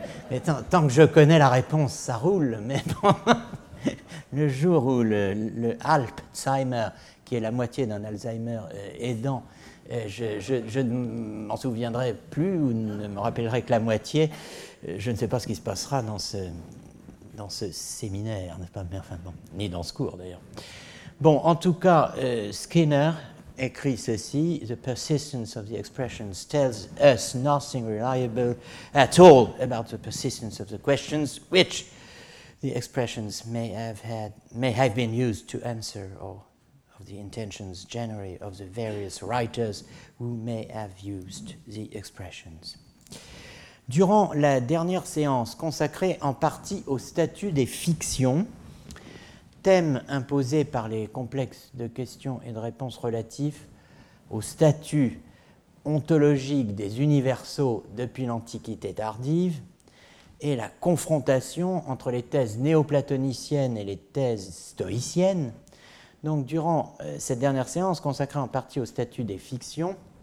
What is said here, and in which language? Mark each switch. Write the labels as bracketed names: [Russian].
[French] Mais tant que je connais la réponse, ça roule, mais bon, le jour où le Alzheimer, qui est la moitié d'un Alzheimer aidant, je ne m'en souviendrai plus ou ne me rappellerai que la moitié, je ne sais pas ce qui se passera dans ce séminaire, n'est-ce pas? Mais enfin, bon, ni dans ce cours d'ailleurs. Bon, en tout cas, Skinner écrit ceci: [English] The persistence of the expressions tells us nothing reliable at all about the persistence of the questions which the expressions may have been used to answer, or of the intentions generally of the various writers who may have used the expressions. [French] Durant la dernière séance consacrée en partie au statut des fictions, thème imposé par les complexes de questions et de réponses relatifs au statut ontologique des universaux depuis l'Antiquité tardive, et la confrontation entre les thèses néoplatoniciennes et les thèses stoïciennes, donc durant cette dernière séance consacrée en partie au statut des fictions,